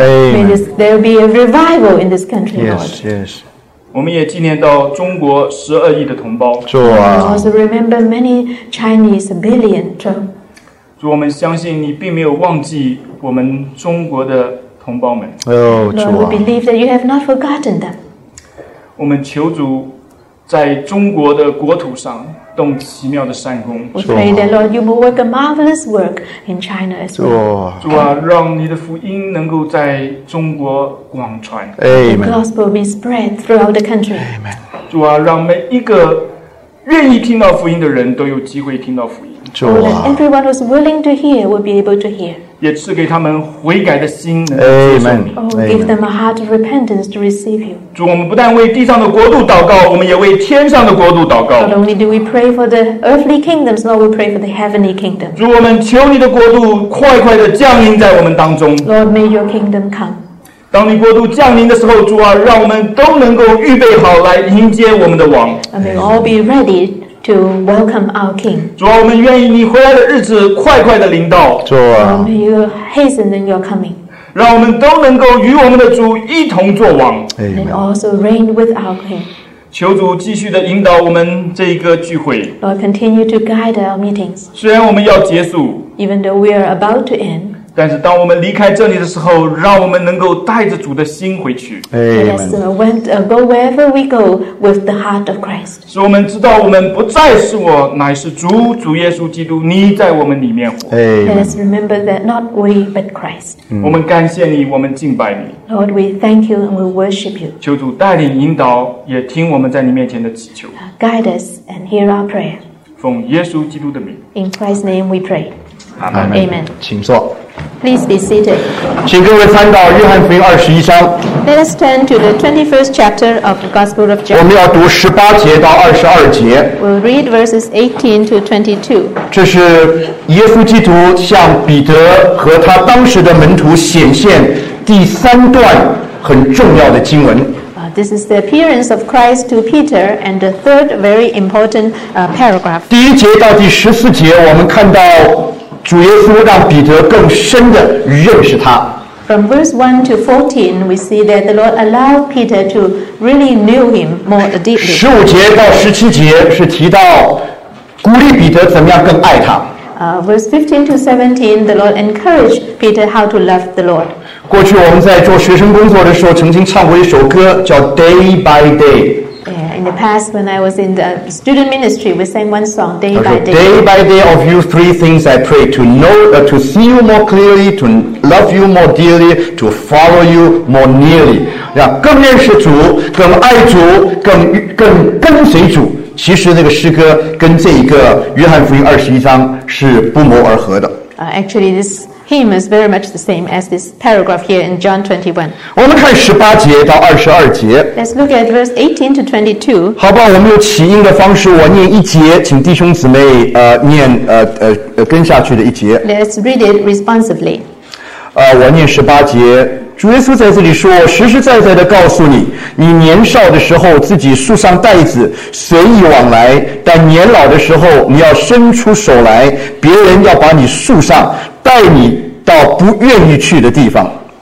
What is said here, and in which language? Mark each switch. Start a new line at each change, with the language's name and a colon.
English: Amen. There will be a revival in this country, Lord. Yes, yes.
Chinese: 我们也纪念到中国十二亿的同胞。主啊
English: ，We also remember many Chinese billion.
Chinese: 主，我们相信你并没有忘记我们中国的。
English: Lord, we believe that you have not forgotten them.
Chinese: 我们求主在中国的国土上动奇妙的善工。
English: We pray that Lord, you will work a marvelous work in China as well.
Chinese: 主啊，让你的福音能够在中国广传。
English: Amen. The gospel be spread throughout the country. Amen.
Chinese: 主啊，让每一个愿意听到福音的人都有机会听到福音。主啊
English: ，Everyone who's willing to hear will be able to hear.
Chinese: 也赐给他们悔改的心。
English: Amen. Oh, give them a heart of repentance to receive you.
Chinese: 主，我们不但为地上的国度祷告，我们也为天上的国度祷告。
English: Not only do we pray for the earthly kingdoms, Lord, we pray for the heavenly kingdom.
Chinese: 主，我们求你的国度快快的降临在我们当中。
English: Lord, may your kingdom come.
Chinese: 当你国度降临的时候，主啊，让我们都能够预备好来迎接我们的王。
English: And may all be ready. To welcome our King.
Chinese: 主啊，我们愿意你回来的日子快快的临到。主啊
English: ，May you hasten in your coming.
Chinese: 让我们都能够与我们的主一同作王。
English: Amen. And also reign with our King.
Chinese: 求主继续的引导我们这一个聚会。
English: Lord, continue to guide our meetings.
Chinese: 虽然我们要结束
English: ，Even though we are about to end.
Chinese: 但是当我们离开这里的时候，让我们能够带着主的心回去。
English: Amen. Let us go wherever we go with the heart of Christ.
Chinese: 使我们知道我们不再是我，乃是主，主耶稣基督，你在我们里面活。
English: Amen. Let us remember that not we but Christ.
Chinese: 我们感谢你，我们敬拜你。
English: Lord, we thank you and we worship you.
Chinese: 求主带领引导，也听我们在你面前的祈求。
English: Guide us and hear our prayer.
Chinese: 奉耶稣基督的名。
English: In Christ's name we pray. Amen. Amen.
Chinese: 请坐。
English: Please be seated.
Chinese: 请各位翻到约翰福音二十一章。
English: Let us turn to the 21st chapter of the Gospel of John.
Chinese: 我们要读十八节到二十二节。
English: We'll read verses 18 to 22.
Chinese: 这是耶稣基督向彼得和他当时的门徒显现第三段很重要的经文。
English: This is the appearance of Christ to Peter and the third very important paragraph.
Chinese: 第一节到第十四节，我们看到。主耶稣让彼得更深地认识他。
English: From verse 1 to 14, we see that the Lord allowed Peter to really know him more deeply.
Chinese: 15节到17节是提到鼓励彼得怎么样更爱他。
English: Verse 15 to 17, the Lord encouraged Peter how to love the Lord.
Chinese: 过去我们在做学生工作的时候曾经唱过一首歌叫 Day by Day。
English: In the past, when I was in the student ministry, we sang one song, Day by Day. Day by day of you, three things I pray, to know, to see you more clearly, to love you more dearly, to follow you more nearly.
Chinese: 更认识主，更爱主，更跟随主。其实那个诗歌跟这一个约翰福音二十一章是不谋而合的。
English: Actually, this hymn is very much the same as this paragraph here in John 21.
Chinese: 我们看十八节到二十二节。
English: Let's look at verse 18 to 22.
Chinese: 好吧，我们用起音的方式，我念一节，请弟兄姊妹念跟下去的一节。
English: Let's read it responsively.
Chinese: 我念十八节。主耶稣在这里说，实实在在的告诉你，你年少的时候自己束上带子随意往来，但年老的时候你要伸出手来，别人要把你束上，带你到不愿意去的地方。